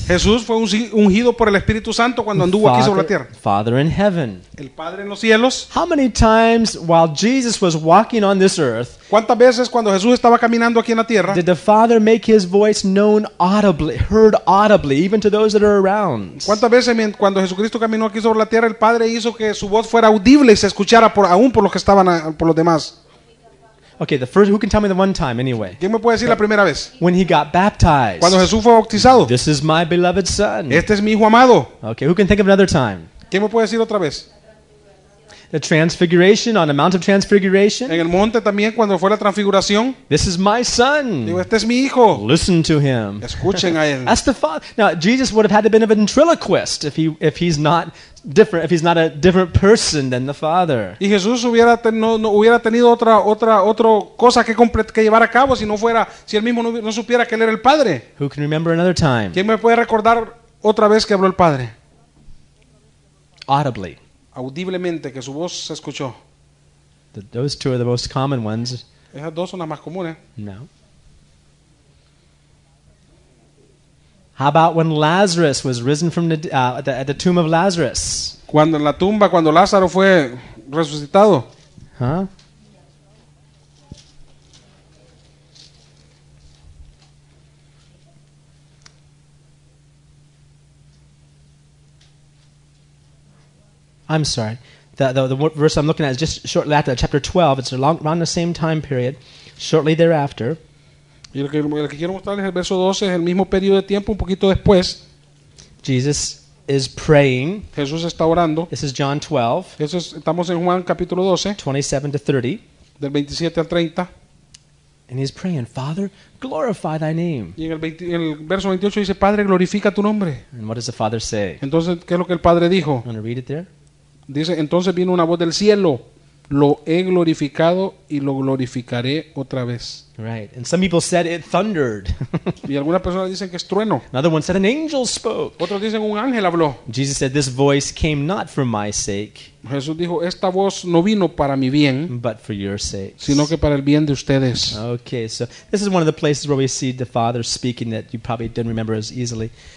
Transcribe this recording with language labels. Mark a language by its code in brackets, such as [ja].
[es] Jesús fue ungido por el Espíritu Santo cuando anduvo aquí sobre la tierra. [en] Father in heaven. [es] El Padre en los cielos. [en] How many times while Jesus was walking on this earth? [es] ¿Cuántas veces cuando Jesús estaba caminando aquí en la tierra? [en] Did the Father make his voice known audibly, heard audibly even to those that are around? [es] ¿Cuántas veces cuando Jesucristo caminó aquí sobre la tierra el Padre hizo que su voz fuera audible y se escuchara aún por los que estaban por los demás? [en] Okay, the first, who can tell me the one time anyway? [es] ¿Quién me puede decir la primera vez? [en] When he got baptized. [es] Cuando Jesús fue bautizado. [en] This is my beloved son. [es] Este es mi hijo amado. [en] Okay, who can think of another time? [es] ¿Quién me puede decir otra vez? [en] The transfiguration, on the Mount of Transfiguration. [es] En el monte también, cuando fue la transfiguración. [en] This is my son. [es] Digo, este es mi hijo. [en] Listen to him. [es] Escuchen a él. [en] That's the Father. Now, Jesus would have had to have been a ventriloquist if he's not a different person than the Father. [es] Y Jesús hubiera tenido otra cosa que llevar a cabo si él mismo no supiera que él era el Padre. [en] Who can remember another time? [es] ¿Quién me puede recordar otra vez que habló el Padre? [en] Audibly. [es] audiblemente, que su voz se escuchó. [en] Those two are the most common ones. [es] Esas dos son las más comunes. [en] No. How about when Lazarus was risen from the, at the tomb of Lazarus? [es] Cuando en la tumba, cuando Lázaro fue resucitado. [en] Huh? I'm sorry. The verse I'm looking at is just shortly after chapter 12. It's around the same time period, shortly thereafter. [es] Y lo que quiero mostrarles es el verso 12, es el mismo periodo de tiempo, un poquito después. [en] Jesus is praying. [es] Jesús está orando. [en] This is John 12. [es] Eso es, estamos en Juan capítulo 12. [en] 27 to 30. [es] Del 27 al 30. [en] And he's praying, Father, glorify thy name. [es] Y en el verso 28 dice, Padre, glorifica tu nombre. [en] And what does the Father say? [es] Entonces, ¿qué es lo que el Padre dijo? [en] I'm going to read it there. [es] Dice, entonces vino una voz del cielo, lo he glorificado y lo glorificaré otra vez. [en] Right. And some people said it thundered. [es] Y algunas personas dicen que es trueno. [en] Another one said an angel spoke. [es] Otros dicen un ángel habló. [en] Jesus said this voice came not for my sake. [es] Jesús dijo, esta voz no vino para mi bien, [en] but for your sakes. [es] Sino que para el bien de ustedes. [en] Okay, so this is one of the places where we see the Father speaking that you probably didn't remember as easily.